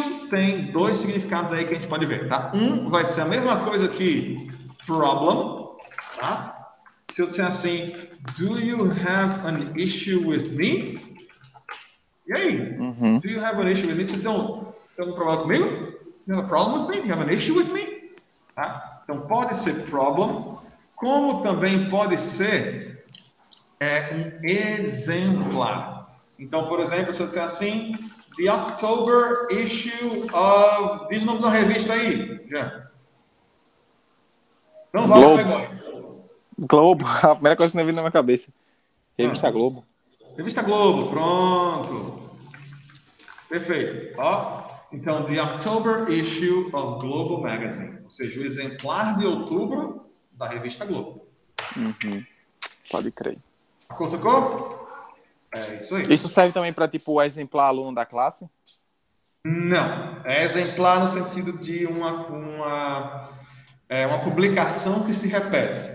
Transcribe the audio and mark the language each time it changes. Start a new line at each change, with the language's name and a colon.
Portuguese: Tem 2 significados aí que a gente pode ver, tá? Um vai ser a mesma coisa que problem, tá? Se eu disser assim,
English: do you have an issue with me?
Portuguese: E aí?
English: Do you have an issue with me?
Portuguese: Você tem um problema comigo?
English: You have a problem with me? You have an issue with me?
Portuguese: Tá? Então pode ser problem, como também pode ser um exemplar. Então, por exemplo, se eu disser assim,
English: the October issue of...
Portuguese: Diz o nome da revista aí, Jean. Não vale Globo. Globo, a primeira coisa que me veio na minha cabeça. Revista Globo. Revista Globo, pronto. Perfeito. Ó, então,
English: the October issue of Globo Magazine.
Portuguese: Ou seja, o exemplar de outubro da revista Globo. Pode crer. Sacou? isso aí. Isso serve também para, tipo, exemplar aluno da classe? Não. É exemplar no sentido de uma publicação que se repete.